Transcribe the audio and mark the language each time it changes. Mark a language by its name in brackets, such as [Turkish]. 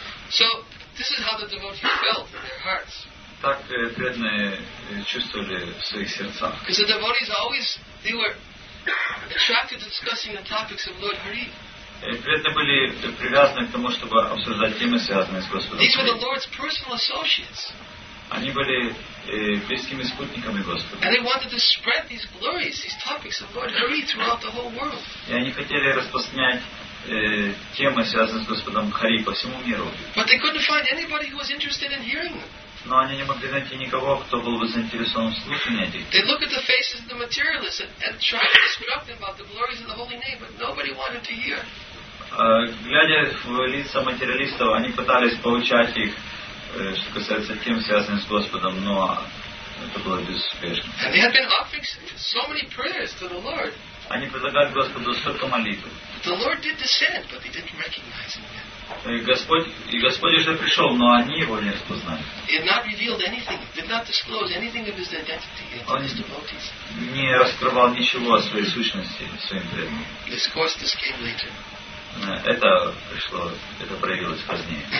[English] So, this is how the devotees felt in their hearts. [Russian] Так преданные чувствовали в своих сердцах. [English] Because the devotees always they were attracted to discussing the topics of Lord Hari. [Russian] Преданные были привязаны к тому, чтобы обсуждать темы, связанные с Господом. [English] These were the Lord's personal associates. [Russian] Они были близкими спутниками Господа. [English] And they wanted to spread these glories, these topics of Lord Hari throughout the whole world. [Russian] И они хотели распространять темы, связанные с Господом Хари по всему миру. [English] But they couldn't find anybody who was interested in hearing them. [Russian] Но они не могли найти никого, кто был бы заинтересован в слушании этих. [English] They look at the faces of the materialists and try to instruct them about the glories of the holy name, but nobody wanted to hear. [Russian] Глядя в лица материалистов, они пытались поучать их, что касается тем, связанных с Господом, но это было безуспешно. [English] And they had been offering so many prayers to the Lord. [Russian] Они предлагали Господу столько молитв. [English] The Lord did descend, but they didn't recognize him yet. [Russian] И Господь уже пришел, но они его не распознали. [English] He had not revealed anything, did not disclose anything of his identity to his devotees. [Russian] Не раскрывал ничего о своей сущности своим преданным. [English] This course this came later. [Russian] Это проявилось позднее.